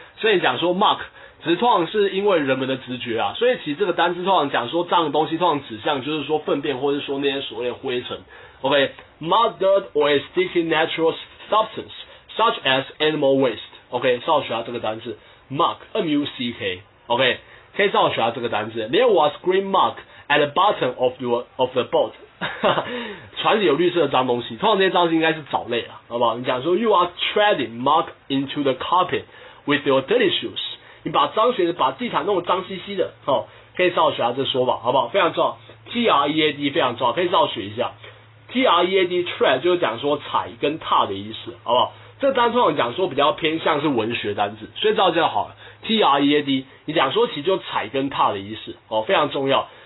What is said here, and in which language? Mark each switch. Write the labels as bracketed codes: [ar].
[zh] 所以你讲说 muck， 只是通常是因为人们的直觉啊，所以其实这个单字通常讲说脏的东西，通常指向就是说粪便或者说那些所谓的灰尘。 [en] OK， mud, dirt or a sticky natural substance such as animal waste。 [zh] OK， 稍微学下这个单字 muck， m u c k。OK。可以稍微学到这个单字。 [en] There was green muck at the bottom of the boat. [zh] 船里有绿色的脏东西，通常这些脏应该是藻类啊，好不好？你讲说 [en] you are treading muck into the carpet with your dirty shoes. [zh] 你把脏鞋子把地毯弄得脏兮兮的，哦，可以稍微学到这说法，好不好？非常重要 ，tread 非常重要，可以稍微学一下。tread tread 就是讲说踩跟踏的意思，好不好？这单通常讲说比较偏向是文学单字，所以知道就好了。 tread， 你讲说其实就踩跟踏的意思哦，非常重要。